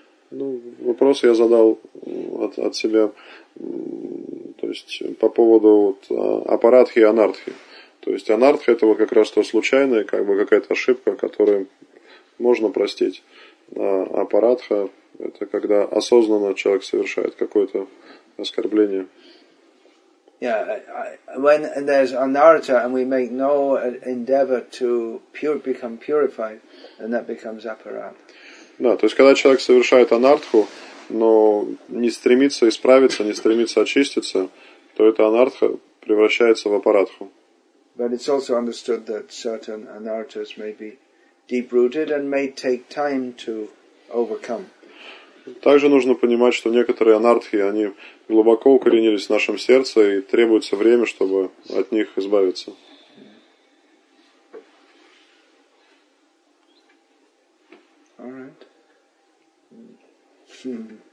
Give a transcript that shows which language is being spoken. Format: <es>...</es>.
<ru>Ну, вопрос я задал от себя, то есть по поводу вот апарадхи и анардхи. То есть анардхи это вот как раз то случайное, как бы какая-то ошибка, которую можно простить. А апарадха это когда осознанно человек совершает какое-то оскорбление.</ru> <en>Yeah, when there's anartha and we make no endeavor to become purified, then that becomes aparad.</en> <ru>Да, то есть когда человек совершает анартху, но не стремится исправиться, не стремится очиститься, то это анартха превращается в апаратху.</ru> <en>But it's also understood that certain anarthas may be deep-rooted and may take time to overcome.</en> <ru>Также нужно понимать, что некоторые анартхи, они глубоко укоренились в нашем сердце и требуется время, чтобы от них избавиться.</ru> <en>All right.</en>